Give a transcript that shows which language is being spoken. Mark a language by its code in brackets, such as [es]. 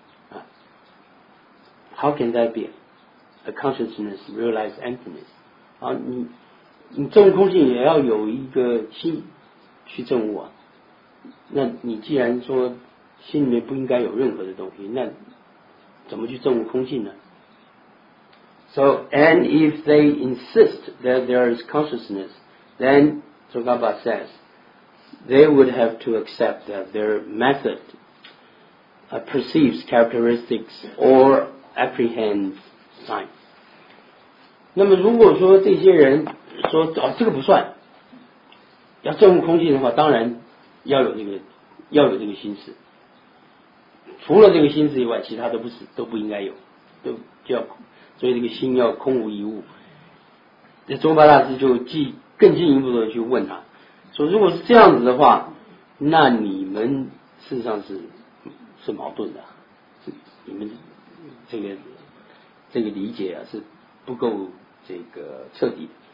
[en] 啊 ，How can that be a consciousness realize emptiness？ [zh] 啊，你证悟空性也要有一个心去证悟啊。那你既然说心里面不应该有任何的东西，那怎么去证悟空性呢？ [en] So, and if they insist that there is consciousness, then, Tsongkhapa says, they would have to accept that their method perceives characteristics or apprehends signs. [zh] 那么如果说这些人说、哦、这个不算，要证悟空性的话，当然要有这个心思。除了这个心思以外，其他都不应该有，都就要。所以这个心要空无一物。那中巴大师就更进一步的去问他说，如果是这样子的话，那你们事实上是矛盾的，你们这个理解啊是不够这个彻底的。